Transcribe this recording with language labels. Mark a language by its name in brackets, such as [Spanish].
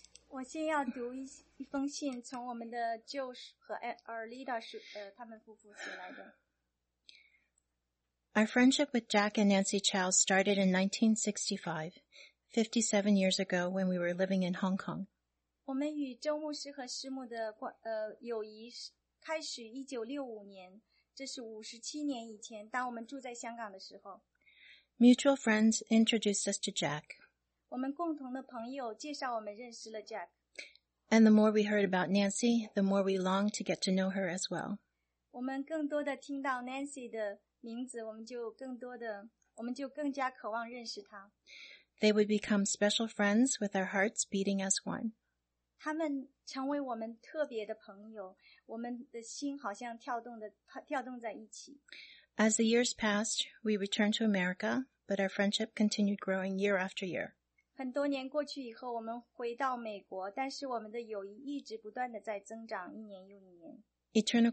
[Chinese] 我先要读一封信，从我们的 Joe 和 Arlita 他们夫妇写来的。 [English] Our friendship with Jack and Nancy Chow started in 1965, 57 years ago when we were living in Hong Kong. [Chinese] 我们与周牧师和师母的友谊开始1965年。这是57年以前，当我们住在香港的时候。 [English] Mutual friends introduced us to Jack. [Chinese] 我们共同的朋友介绍我们认识了Jack。 [English] And the more we heard about Nancy, the more we longed to get to know her as well. [Chinese] 我们更多的听到Nancy的名字，我们就更加渴望认识她。 [English] They would become special friends with our hearts beating as one. [Chinese] 他们成为我们特别的朋友，我们的心好像跳动在一起。 [English] As the years passed, we returned to America, but our friendship continued growing year after year. [Chinese] 很多年过去以后，我们回到美国，但是我们的友谊一直不断的在增长，一年又一年。 [English] Eternal